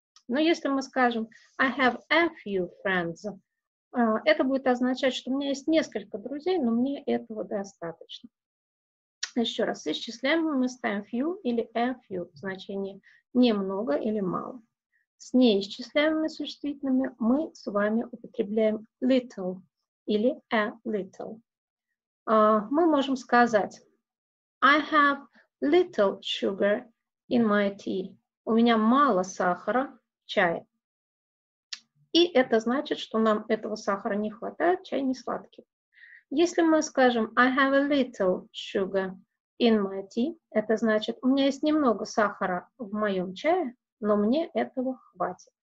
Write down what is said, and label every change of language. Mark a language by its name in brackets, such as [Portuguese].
[Russian] Но если мы скажем [English] I have a few friends, [Russian] это будет означать, что у меня есть несколько друзей, но мне этого достаточно. Еще раз, исчисляем мы ставим few или a few, значение немного или мало. С неисчисляемыми существительными мы с вами употребляем little или a little. Мы можем сказать [English] I have little sugar in my tea. [Russian] У меня мало сахара в чае. И это значит, что нам этого сахара не хватает, чай не сладкий. Если мы скажем [English] I have a little sugar in my tea, [Russian] это значит, у меня есть немного сахара в моем чае, но мне этого хватит.